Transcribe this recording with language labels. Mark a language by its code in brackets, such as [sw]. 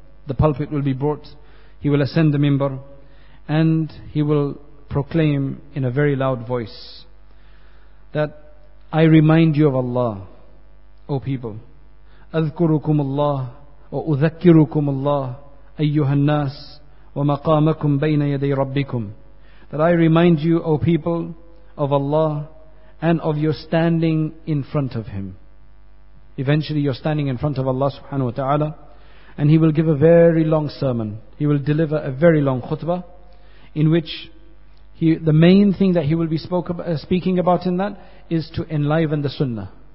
[en] The pulpit will be brought. He will ascend the minbar and he will proclaim in a very loud voice that, I remind you of Allah, O people. [ar] أذكركم الله وأذكركم الله أيها الناس ومقامكم بين يدي ربكم. [en] That I remind you, O people, of Allah and of your standing in front of Him. Eventually you're standing in front of Allah subhanahu wa ta'ala, and He will give a very long sermon. He will deliver a very long khutbah in which the main thing that he will be speaking about in that is to enliven the sunnah.